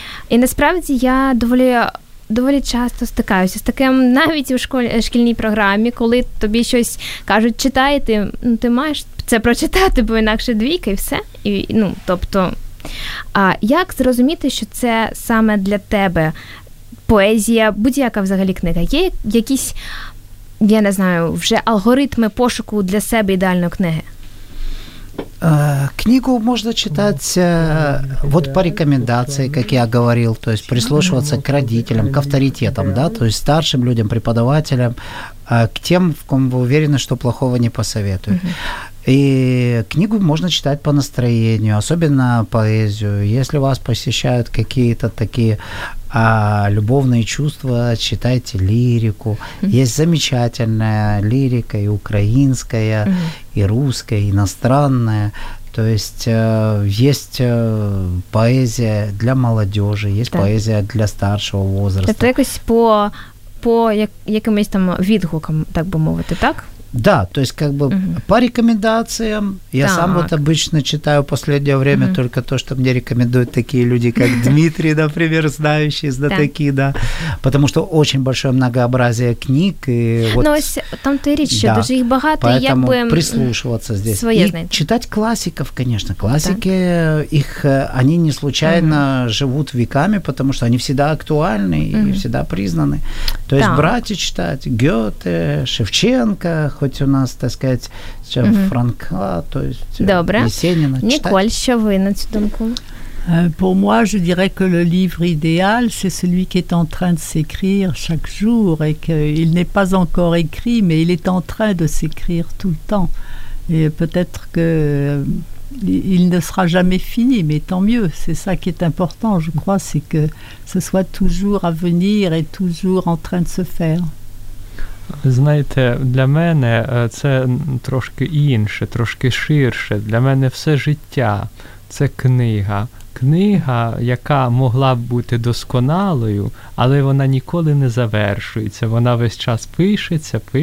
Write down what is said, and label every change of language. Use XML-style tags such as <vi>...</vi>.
<uk>І насправді я доволі часто стикаюся з таким навіть у шкільній програмі, коли тобі щось кажуть, читай, ти маєш це прочитати, бо інакше двійка і все. І, ну, тобто... А як зрозуміти, що це саме для тебе поезія, будь-яка взагалі книга? Є якісь, я не знаю, вже алгоритми пошуку для себе ідеальної книги?</uk> <ru>Книгу можно читать вот по рекомендации, как я говорил, то есть прислушиваться к родителям, к авторитетам, да, то есть старшим людям, преподавателям, к тем, в ком вы уверены, что плохого не посоветуют. И книгу можно читать по настроению, особенно поэзию. Если вас посещают какие-то такие любовные чувства, читайте лирику. Есть замечательная лирика и украинская, и русская, и иностранная. То есть есть поэзия для молодежи, есть поэзия для старшего возраста.</ru> <uk>Это якось по якимось там відгукам, так би мовити, так?</uk> <ru>Да, то есть как бы по рекомендациям, я сам вот обычно читаю в последнее время только то, что мне рекомендуют такие люди, как Дмитрий, например, знающие знатоки, да, потому что очень большое многообразие книг. И вот, ну, ось там ты речь, да, даже их богато, и я бы... прислушиваться здесь. Своё, и знаете. Читать классиков, конечно, классики, их, они не случайно живут веками, потому что они всегда актуальны и всегда признаны. То есть брать и читать Гёте, Шевченко, хоть у нас, так сказать, сейчас Франка, то есть</ru> <uk>добре.</uk> <ru>Есенина. Николь, что вы на эту думку?</ru> <fr>Pour moi, je dirais que le livre idéal, c'est celui qui est en train de s'écrire chaque jour et qu'il n'est pas encore écrit, mais il est en train de s'écrire tout le temps. Et peut-être qu'il ne sera jamais fini, mais tant mieux. C'est ça qui est important, je crois, c'est que ce soit toujours à venir et toujours en train de se faire.</fr> <uk>Знаєте, для мене це трошки інше, трошки ширше. Для мене все життя – це книга. Книга, яка могла б бути досконалою, але вона ніколи не завершується. Вона весь час пишеться.</uk>